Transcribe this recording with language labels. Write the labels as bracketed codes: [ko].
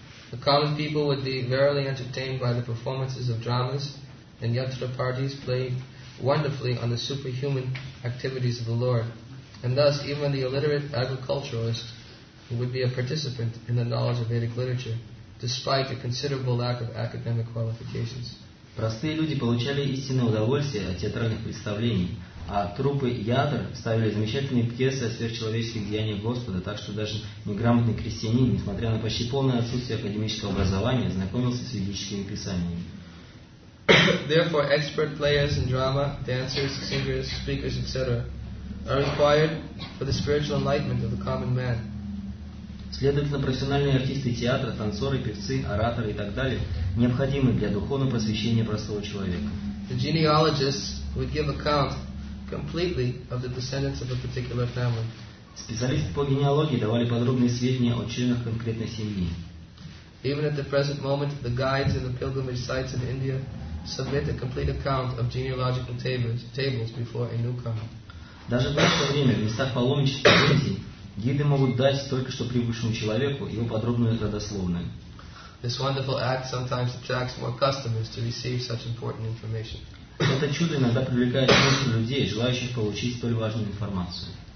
[en] The common people would be verily entertained by the performances of dramas and yatra parties played wonderfully on the superhuman activities of the Lord. And thus, even the illiterate agriculturalist would be a participant in the knowledge of Vedic literature, despite a considerable lack of academic qualifications. [ru] Простые люди получали истинное удовольствие от театральных представлений, а труппы ядр ставили замечательные пьесы о сверхчеловеческих деяниях Господа, так что даже неграмотный крестьянин, несмотря на почти полное отсутствие академического образования, знакомился с ведическими писаниями. [en] Therefore, expert players in drama, dancers, singers, speakers, etc. are required for the spiritual enlightenment of the common man. [ru] Следовательно, профессиональные артисты театра, танцоры, певцы, ораторы и так далее необходимы для духовного просвещения простого человека. [en] The genealogists would give account completely of the descendants of a particular family. [ru] Специалисты по генеалогии давали подробные сведения о членах конкретной семьи. [en] Even at the present moment, the guides in the pilgrimage sites in India submit a complete account of genealogical tables before a newcomer. [ru] Даже в наше время в местах паломничества в Индии гиды могут дать только что прибывшему человеку его подробную родословную. [en] This wonderful act sometimes attracts more customers to receive such important information. [ru] Это чудо иногда привлекает больше людей, желающих получить столь важную информацию.